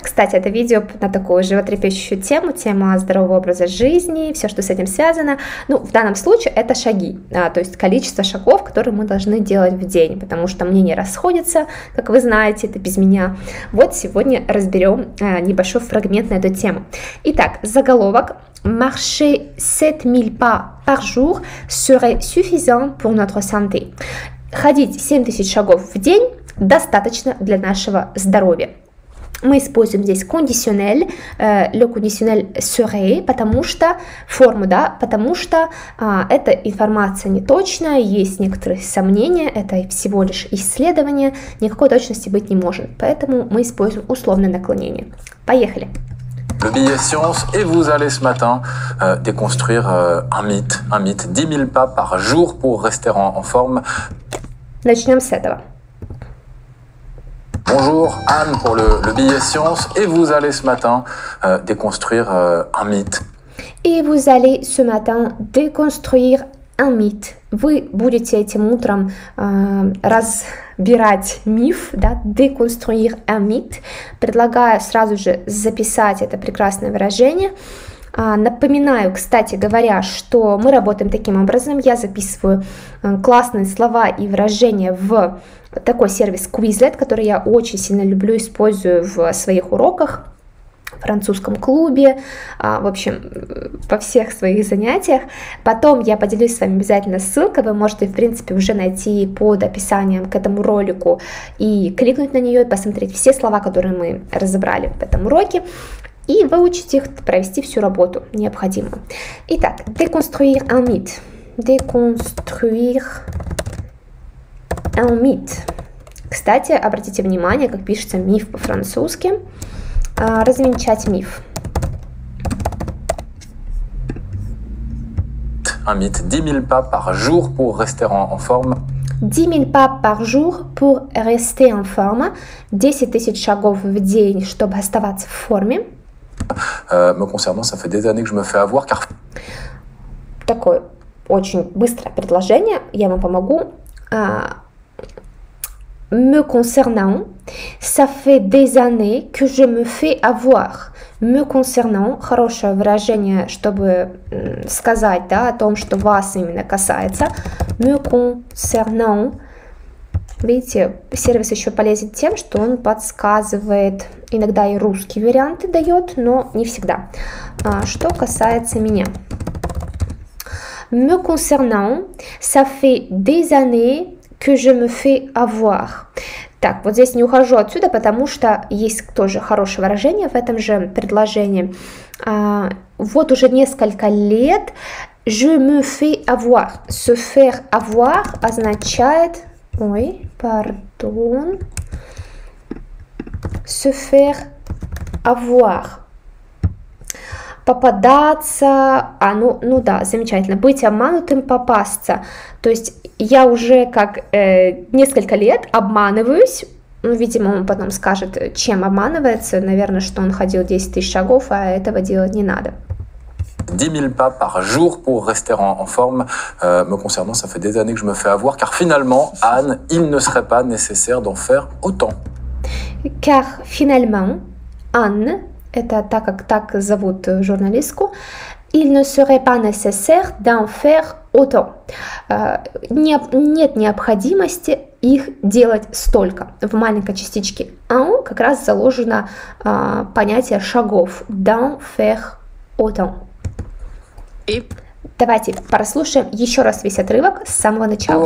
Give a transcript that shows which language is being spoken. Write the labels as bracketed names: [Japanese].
[Russian] Кстати, это видео на такую животрепещущую тему, тема здорового образа жизни, все, что с этим связано. Ну, в данном случае это шаги, то есть количество шагов, которые мы должны делать в день, потому что мнения расходятся, как вы знаете, это без меня. Вот сегодня разберем небольшой фрагмент на эту тему. Итак, заголовок: [French] «Marcher 7000 pas par jour serait suffisant pour notre santé». [Russian] Ходить 7000 шагов в день достаточно для нашего здоровья. Мы используем здесь conditionnel, [French] le conditionnel serait, [Russian] потому что, форму, да, потому что эта информация не точная, есть некоторые сомнения, это всего лишь исследование, никакой точности быть не может, поэтому мы используем условное наклонение. Поехали! [French] Le billet science, et vous allez ce matin déconstruire un mythe, 10 000 pas par jour pour rester en forme. [Russian] Начнем с этого. [French] Bonjour Anne pour le billet science, et vous allez ce matin déconstruire un mythe. Et vous allez ce matin déconstruire un mythe. [Russian] Вы будете этим утром разбирать миф, да, [French] déconstruire un mythe. [Russian] Предлагаю сразу же записать это прекрасное выражение. Напоминаю, кстати говоря, что мы работаем таким образом. Я записываю классные слова и выражения в такой сервис Quizlet, который я очень сильно люблю, использую в своих уроках, в французском клубе, в общем, во всех своих занятиях. Потом я поделюсь с вами обязательно ссылкой, вы можете, в принципе, уже найти под описанием к этому ролику и кликнуть на нее и посмотреть все слова, которые мы разобрали в этом уроке, и выучить их, провести всю работу необходимую. Итак, [French] déconstruire un mythe. Déconstruire un mythe. [Russian] Кстати, обратите внимание, как пишется миф по-французски. Развенчать миф. [French] Un mythe, 10 000 pas par jour pour rester en forme. 10 000 pas par jour pour rester en forme. [Russian] 10 000 шагов в день, чтобы оставаться в форме. [French] Me concernant, ça fait des années que je me fais avoir, car... [Russian] Такое очень быстрое предложение, я вам помогу. [French] Me concernant, ça fait des années que je me fais avoir. Me concernant, [Russian] хорошее выражение, чтобы сказать, да, о том, что вас именно касается. [French] Me concernant, [Russian] видите, сервис еще полезен тем, что он подсказывает, иногда и русские варианты дает, но не всегда. Что касается меня. [French] Me concernant, ça fait des années que je me fais avoir. [Russian] Так, вот здесь не ухожу отсюда, потому что есть тоже хорошее выражение в этом же предложении. Вот уже несколько лет [French] je me fais avoir. Se faire avoir [Russian] означает... Ой, пардон. [French] Se faire avoir. [Russian] Попадаться, ну да, замечательно, быть обманутым, попасться. То есть я уже как несколько лет обманываюсь, Ну, видимо, он потом скажет, чем обманывается. Наверное, что он ходил 10 тысяч шагов, а этого делать не надо. [French] 10 000 pas par jour pour rester en forme. Me concernant, ça fait des années que je me fais avoir, car finalement, Anne, il ne serait pas nécessaire d'en faire autant. Car finalement, Anne, [Russian] это так, как так зовут журналистку, [French] il ne serait pas nécessaire d'en faire autant. [Russian] Нет необходимости их делать столько. В маленькой частичке «en» как раз заложено понятие шагов. [French] «D'en faire autant». [Russian] Давайте прослушаем еще раз весь отрывок с самого начала.